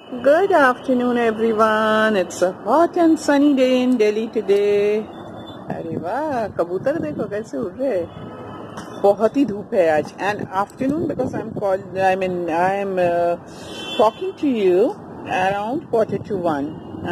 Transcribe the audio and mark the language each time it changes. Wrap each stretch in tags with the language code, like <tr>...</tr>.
<en>Good afternoon, everyone. It's a hot and sunny day in Delhi today.</en> <hi>अरे वाह, कबूतर देखो कैसे उड़ रहे. बहुत ही धूप है आज.</hi> <en>And afternoon because I'm talking to you around 12:45.</en>